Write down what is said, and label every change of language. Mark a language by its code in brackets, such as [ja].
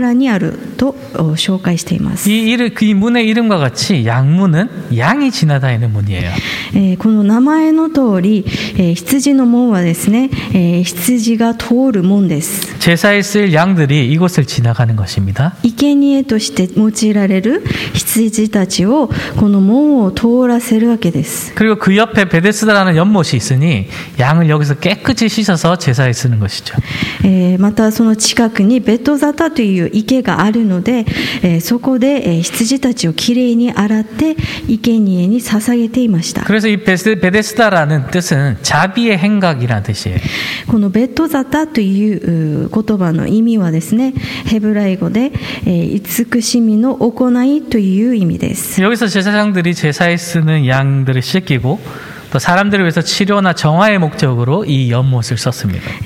[ja] このベトザタの池は羊の門の傍らにあると紹介しています. [ko] 이 문의 이름과 같이 양문은 양이 지나다니는 문이에요. [ja] この名前の通り羊の門はですね羊が通る門です. [ko] 제사에 쓸 양들이 이곳을 지나가는 것입니다. [ja] 生贄として用いられる羊たちをこの門を通らせるわけです. [ko] 그리고 그 옆에 베데스다라는 연못이 있으니 양을 여기서 깨끗이 씻어서 제사에 쓰는 것이죠. [ja] またその近くにベトザタという池があるので、そこで羊たちをきれいに洗って生贄に捧げていました. [ko] 그래서 이 베데스다라는 뜻은 자비의 행각이라는 뜻이에요. [ja] このベトザタという言葉の意味はですね、ヘブライ語で慈しみの行いという意味です. [ko] 여기서 제사장들이 제사에 쓰는 양들을 씻기고 또 사람들을 위해서 치료나 정화의 목적으로 이 연못을 썼습니다.